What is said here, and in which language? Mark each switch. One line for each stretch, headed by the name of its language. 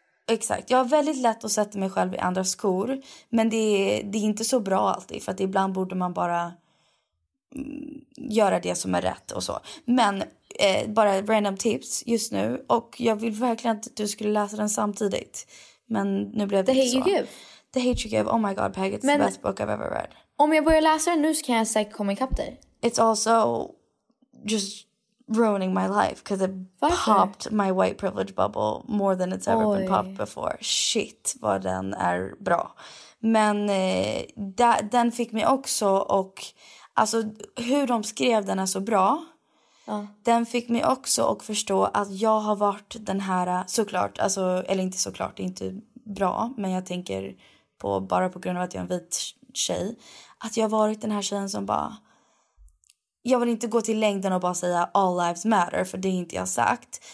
Swedish: Exakt, jag har väldigt lätt att sätta mig själv i andra skor. Men det är inte så bra alltid. För att ibland borde man bara göra det som är rätt och så. Men bara random tips just nu. Och jag vill verkligen att du skulle läsa den samtidigt. Men nu blev det
English: The Hate
Swedish: så.
English: You Give. The Hate You Give, oh my god, Peg, it's the best book I've ever read.
Swedish: Om jag börjar läsa den nu så kan jag säkert komma ikapp dig.
English: It's also just ruining my life because it popped my white privilege bubble more than it's ever been popped before.
Swedish: Shit, vad den är bra. Men den fick mig också, och alltså hur de skrev den är så bra. Den fick mig också att förstå att jag har varit den här, såklart, alltså, eller inte såklart, det är inte bra, men jag tänker på bara på grund av att jag är en vit tjej, att jag har varit den här tjejen som bara, jag vill inte gå till längden och bara säga all lives matter, för det är inte jag sagt.